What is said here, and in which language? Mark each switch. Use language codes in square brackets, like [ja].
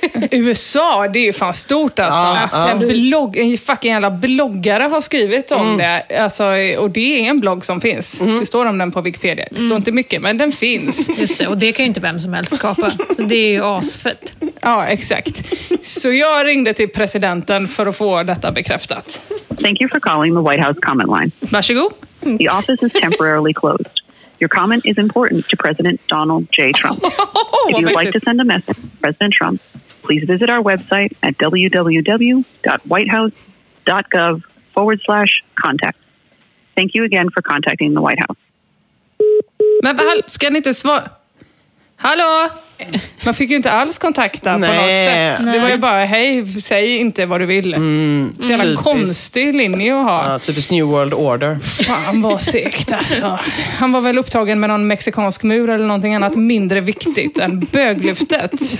[sv] USA, det är ju fan stort alltså. En fucking jävla bloggare har skrivit om det alltså, och det är en blogg som finns. Det står om den på Wikipedia. Det står inte mycket, men den finns. Just det, och det kan ju inte vem som helst skapa. Så det är ju asfett. Ja, exakt. Så jag ringde till presidenten för att få detta bekräftat. [en] Thank you for calling the White House comment line. [sv] Varsågod. [en] The office is temporarily closed. Your comment is important to President Donald J. Trump. If you would like to send a message to President Trump, please visit our website at www.whitehouse.gov/contact. Thank you again for contacting the White House. [sv] Men vad, ska ni inte svara? Hallå? Man fick ju inte alls kontakta på något sätt. Nej. Det var ju bara, hej, säg inte vad du vill. Så jävla konstig linje att ha. Typiskt New World Order. Fan vad segt alltså. Han var väl upptagen med någon mexikansk mur eller någonting annat mindre viktigt än böglyftet.